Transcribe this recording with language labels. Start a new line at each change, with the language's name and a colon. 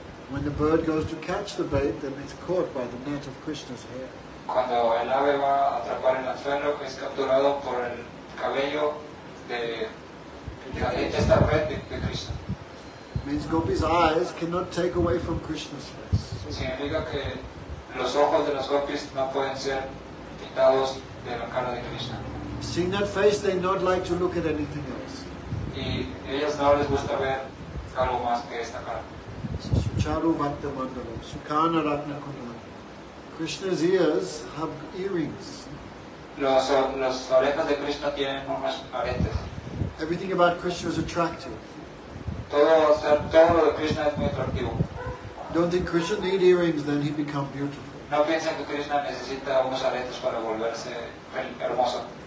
English: When the bird goes to catch the bait, then it's caught by the net of Krishna's hair.
Spanish: Cuando el ave va a atrapar el anzuelo, es capturado por el cabello de esta red de Krishna.
English: Means gopis' eyes cannot take away from Krishna's face.
Spanish: Significa que los ojos de las gopis no pueden ser quitados de la cara de Krishna.
English: Seeing that face, they not like to look at anything else.
Spanish: Y ellas no les gusta ver algo más que esta cara.
Sanskrit: Sucharu vatta mandalam, sukhana ratna kundalam.
English: Krishna's ears have earrings.
Spanish: Las orejas de Krishna tienen unas aretes.
English: Everything about Krishna is attractive.
Spanish: Todo lo de Krishna es muy atractivo.
English: Don't think Krishna need earrings, then he become beautiful.
Spanish: No piensen que Krishna necesita unos aretes para volverse hermoso.